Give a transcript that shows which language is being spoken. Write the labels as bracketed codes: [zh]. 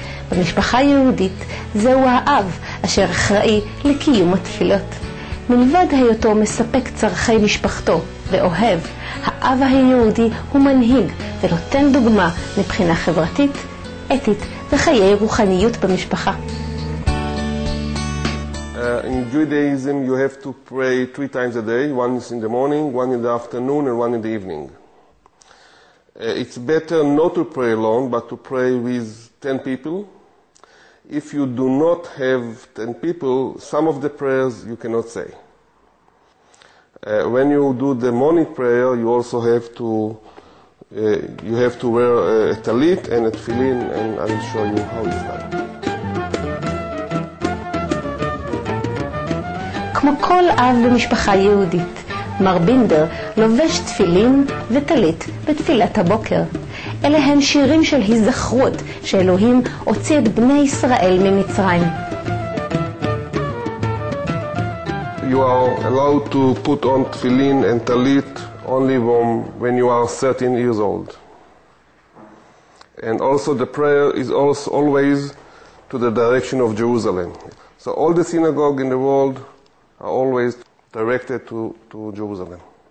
[he] במשפחה היהודית זהו האב אשר אחראי לקיום התפילות. מלבד היותו מספק צרכי משפחתו ואוהב, האב היהודי הוא מנהיג ונותן דוגמה מבחינה חברתית, אתית וחיי רוחניות במשפחה. [en] In Judaism you have to pray three times a day, one in the morning, one in the afternoon and one in the evening. It's better not to pray alone but to pray with 10 people. If you do not have 10 people, some of the prayers you cannot say. When you do the morning prayer, you also have to wear a tallit and a tefillin, and I'll show you how it's done. [he] כמו כל אב במשפחה יהודית, מר בינדר לובש תפילין וטלית בתפילת הבוקר. אלה הם שירים של היזכרות שאלוהים הוציא את בני ישראל ממצרים. [en] You are allowed to put on tefillin and talit only when you are 13 years old. And also the prayer is also always to the direction of Jerusalem. So all the synagogue in the world are always directed to Jerusalem.